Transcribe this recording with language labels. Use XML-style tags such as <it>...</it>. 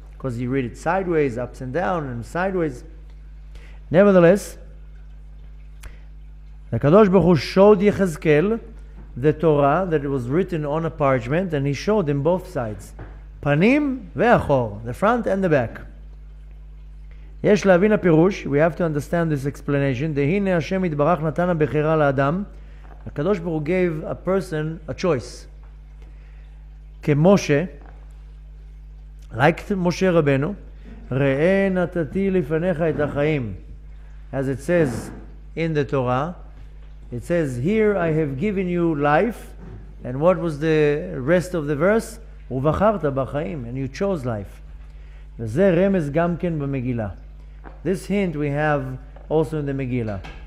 <en>Because you read it sideways, ups and down, and sideways. Nevertheless, the Kadosh Baruch Hu showed Yechezkel the Torah that it was written on a parchment. And he showed him both sides.</en> <he>Panim ve'achor.</he> <en>The front and the back.</en> <he>יש להבין הפירוש,</he> <en>we have to understand this explanation,</en> <he>דהינה השם יתברך נתן הבחירה לאדם, הקדוש ברוך הוא</he> <en>gave a person a choice.</en> <he>כמשה, like משה רבנו, ראה נתתי לפניך את החיים.</he> <en>As it says in the Torah, it says, here I have given you life, and what was the rest of the verse?</en> <he>ובחרת בחיים,</he> <en>and you chose life.</en> <he>וזה רמז גם כן במגילה.</he> <en>This hint we have also in the Megillah.</en>